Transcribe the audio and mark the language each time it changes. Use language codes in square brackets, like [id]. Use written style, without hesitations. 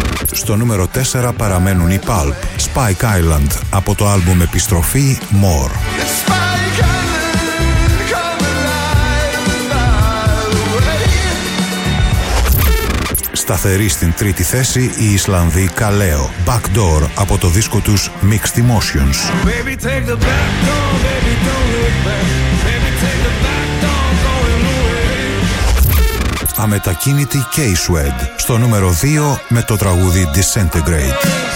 [el] Στο νούμερο 4 παραμένουν οι Pulp, Spike Island, από το άλμπουμ Επιστροφή, More. [en] Spike Island, come alive, [el] σταθερή στην τρίτη θέση η Ισλανδή Kaleo, Backdoor, από το δίσκο τους Mixed Emotions. [en] Baby, take the back door, baby, don't look back. [el] Αμετακίνητη και η Σουέντ, στο νούμερο 2 με το τραγούδι Disintegrate.